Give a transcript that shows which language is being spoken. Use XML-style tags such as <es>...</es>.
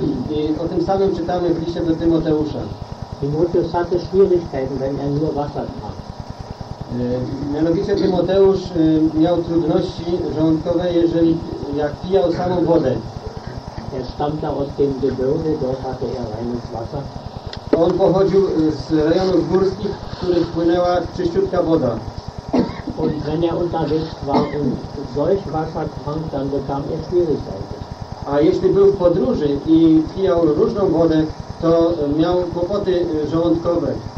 <pl>I o tym samym czytamy w liście do Tymoteusza.</pl> <de>Tymoteusz hatte Schwierigkeiten, wenn er nur Wasser trank.</de> <pl>Mianowicie Tymoteusz miał trudności żołądkowe, jeżeli jak pijał samą wodę.</pl> <de>Er stammte aus dem Gebirge, dort hatte er reines Wasser.</de> <pl>On pochodził z rejonów górskich, w których płynęła czyściutka woda.</pl> <de>Und wenn er unterwegs war und solch Wasser trank, dann bekam er Schwierigkeiten.</de> <pl>A jeśli był w podróży i pijał różną wodę, to miał kłopoty żołądkowe.</pl>